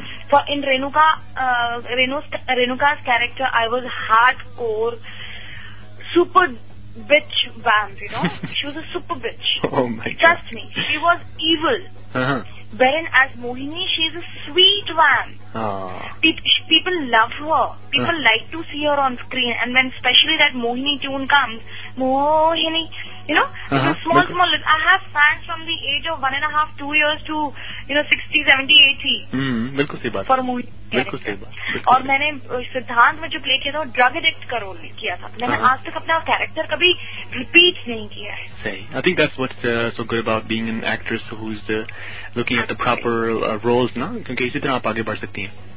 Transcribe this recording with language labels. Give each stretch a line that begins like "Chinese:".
English: For in Renuka's character I was hardcore super bitch vamp you know she was a super bitch trust me she was evil whereas Mohini she is a sweet vamp People love her. People like to see her on screen. And when especially that Mohini tune comes, Mohini, you know, small. I have fans from the age of 1.5, 2 years to, you know, 60, 70, 80.
Hindi: बिल्कुल सही बात. और मैंने सिद्धांत में जो play किया था ड्रग एडिक्ट का रोल किया था मैंने आज तक अपना कैरेक्टर कभी रिपीट नहीं किया है सही.
English: I think that's what's so good about being an actress who's looking at the proper roles,
Hindi: ना क्योंकि इसी तरह आप आगे बढ़ सकती हैं.